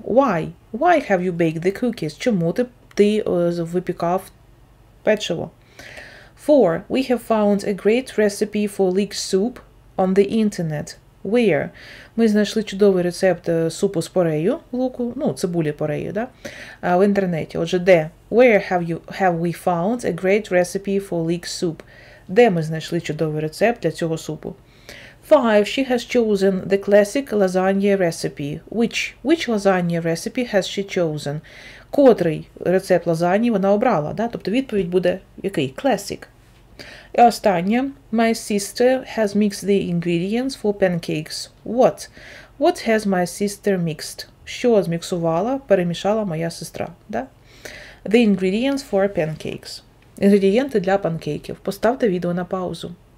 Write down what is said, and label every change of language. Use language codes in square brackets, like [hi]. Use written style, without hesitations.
[en] Why? Why have you baked the cookies? [uk] Чому ти випікав печиво? [en] 4. We have found a great recipe for leek soup on the internet. Where? [uk] Ми знайшли чудовий рецепт супу з порею, луку, цибулі порею, да? В інтернеті. Отже, де? [en] Where have we found a great recipe for leek soup? [uk] Де ми знайшли чудовий рецепт для цього супу? [en] 5. She has chosen the classic lasagna recipe. Which lasagna recipe has she chosen? [uk] Котрий рецепт лазані вона обрала, да? Тобто відповідь буде який? Classic. І останнє. [en] My sister has mixed the ingredients for pancakes. What? What has my sister mixed? [uk] Що зміксувала, перемішала моя сестра, да? [en] The ingredients for pancakes. [uk] Інгредієнти для панкейків. Поставте відео на паузу.